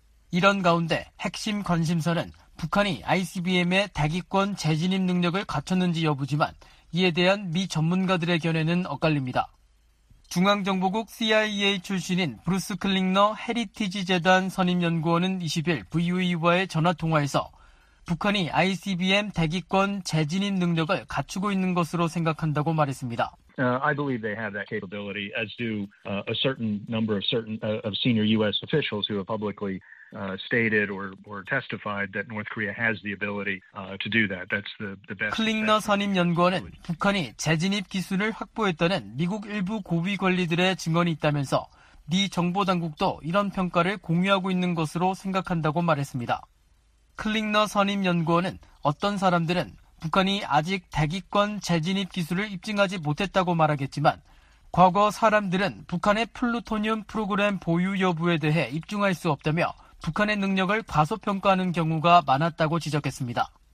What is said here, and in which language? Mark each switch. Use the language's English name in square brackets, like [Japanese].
[Korean] 이런 가운데 핵심 관심사는 북한이 ICBM의 대기권 재진입 능력을 갖췄는지 여부지만 이에 대한 미 전문가들의 견해는 엇갈립니다. 중앙정보국 CIA 출신인 브루스 클링너 헤리티지 재단 선임연구원은 20일 VOA와의 전화통화에서 북한이 ICBM 대기권 재진입 능력을 갖추고 있는 것으로 생각한다고 말했습니다. [English] I believe they have that capability, as do a certain number of senior U.S. officials who have publicly stated or testified that North Korea has the ability to do that. That's the best. [Korean] 클링너 선임 연구원은 북한이 재진입 기술을 확보했다는 미국 일부 고위 관리들의 증언이 있다면서 미 정보 당국도 이런 평가를 공유하고 있는 것으로 생각한다고 말했습니다. 클링너 선임 연구원은 어떤 사람들은 북한이 아직 대기권 재진입 기술을 입증하지 못했다고 말하겠지만 과거 사람들은 북한의 플루토늄 프로그램 보유 여부에 대해 입증할 수 없다며 북한의 능력을 과소평가하는 경우가 많았다고 지적했습니다.